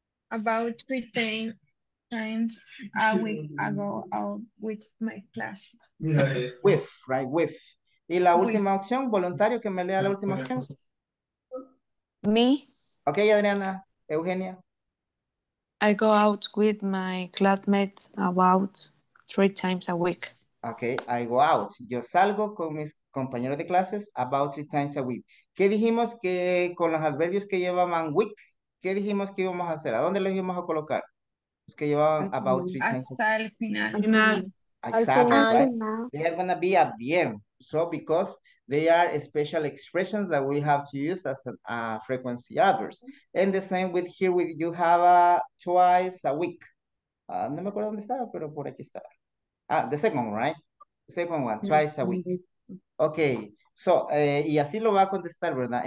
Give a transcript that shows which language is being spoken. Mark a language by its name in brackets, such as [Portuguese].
[English] About three times a week ago with my classmates. With, right, with. [Spanish] Y la última [English] with. [Spanish] Opción, voluntario, que me lea la última opción. [English] Me. Okay, Adriana, Eugenia. I go out with my classmates about three times a week. Okay, I go out. [Spanish] Yo salgo con mis compañeros de clases [English] about three times a week. [Spanish] ¿Qué dijimos que con los adverbios que llevaban week? ¿Qué dijimos que íbamos a hacer? ¿A dónde los íbamos a colocar? Los que llevaban [English] about three [Spanish] hasta [English] times. [Spanish] Hasta el final. [English] Exactly. Right? They are going to be at the end. So because they are special expressions that we have to use as a frequency adverbs. And the same with here with you have a twice a week. [Spanish] No me acuerdo dónde estaba, pero por aquí estaba. [English] Ah, the second one, right? The second one, twice a week. Okay. So, [Spanish] y así lo va a contestar, ¿verdad?